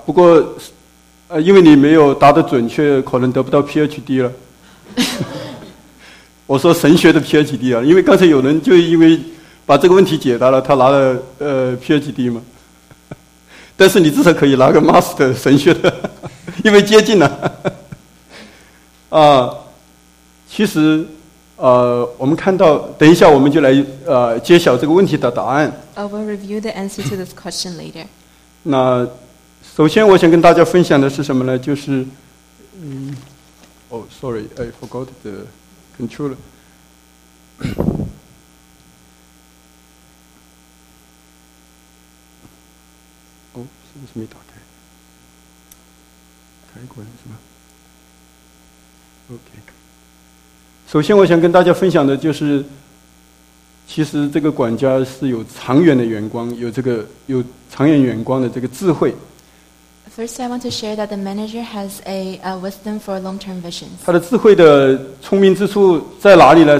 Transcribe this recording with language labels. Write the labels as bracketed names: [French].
[Chinese] 不过因为你没有答得准确，可能得不到 PhD 了。我说神学的 PhD 啊，因为刚才有人就因为把这个问题解答了，他拿了PhD 嘛。但是你至少可以拿个 Master 神学的，因为接近了。其实我们看到，等一下我们就来揭晓这个问题的答案。 [English] We'll review the answer to this question later. [Chinese] 那首先我想跟大家分享的是什么呢？就是 [English] I forgot the controller. [Chinese] 是不是没打开？开过了是吗 ？OK。首先，我想跟大家分享的就是，其实这个管家是有长远的眼光，有这个有长远眼光的这个智慧。 [English] First, I want to share that the manager has a wisdom for long-term visions. [Chinese] 他的智慧的聪明之处在哪里呢？